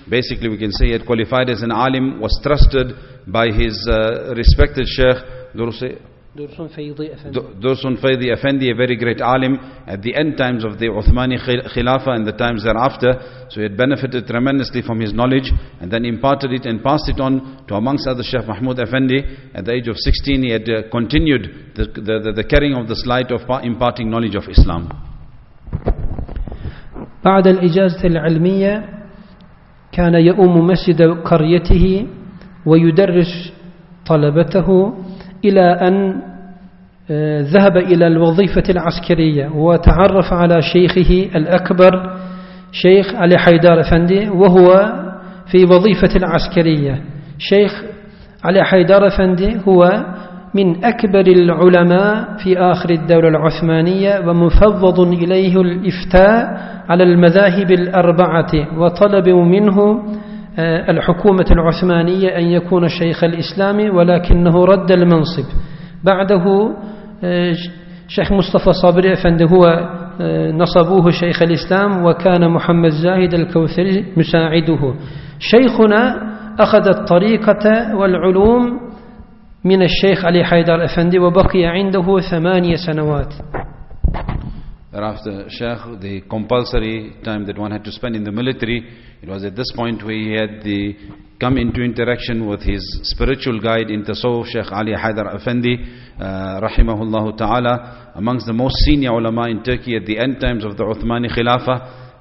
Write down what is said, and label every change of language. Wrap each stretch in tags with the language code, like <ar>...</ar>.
<en>Basically we can say he had qualified as an alim, was trusted by his respected Shaykh Dursun Faydi Effendi, a very great alim at the end times of the Uthmani Khilafah and the times thereafter. So he had benefited tremendously from his knowledge and then imparted it and passed it on to amongst other Shaykh Mahmud Effendi. At the age of 16 he had continued the carrying of this light of imparting knowledge of Islam.</en> <ar>بعد الإجازة العلمية كان يؤم مسجد قريته ويدرس طلبته إلى أن ذهب إلى الوظيفة العسكرية وتعرف على شيخه الأكبر شيخ علي حيدر أفندي وهو في وظيفة العسكرية. شيخ علي حيدر أفندي هو من أكبر العلماء في آخر الدولة العثمانية ومفوض إليه الإفتاء على المذاهب الأربعة وطلب منه الحكومة العثمانية أن يكون شيخ الإسلام ولكنه رد المنصب. بعده شيخ مصطفى صابري أفندي هو نصبوه شيخ الإسلام وكان محمد زاهد الكوثري مساعده. شيخنا أخذ الطريقة والعلوم من الشيخ علي حيدر أفندي وبقي عنده 8 سنوات.</ar> <en>Thereafter, Shaykh, the compulsory time that one had to spend in the military, it was at this point where he had come into interaction with his spiritual guide in Tasawwuf, Shaykh Ali Haidar Effendi, rahimahullahu ta'ala, amongst the most senior ulama in Turkey at the end times of the Uthmani Khilafah.</en>